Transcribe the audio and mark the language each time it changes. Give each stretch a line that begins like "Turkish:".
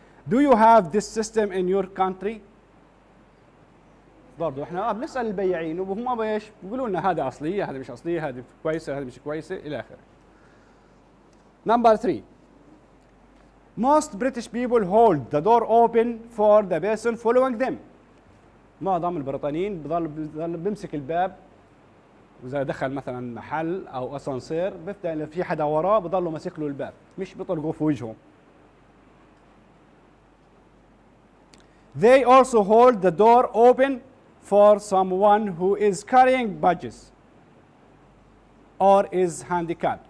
English: Do you have this system in your country؟
Arabic: برضه احنا بنسال البياعين وهم ايش؟ بيقولوا لنا هذه اصليه، هذه مش اصليه، هذه كويسه، هذه مش كويسه الى اخره. نمبر 3.
English: Most British people hold the door open for the person following them.
Arabic: معظم البريطانيين بضل بمسك الباب، وإذا دخل مثلا محل أو أسانسير بفتح إذا في حدا وراه بضلوا ماسك له الباب، مش بيطلقوا في وجهه.
English: They also hold the door open for someone who is carrying badges or is handicapped.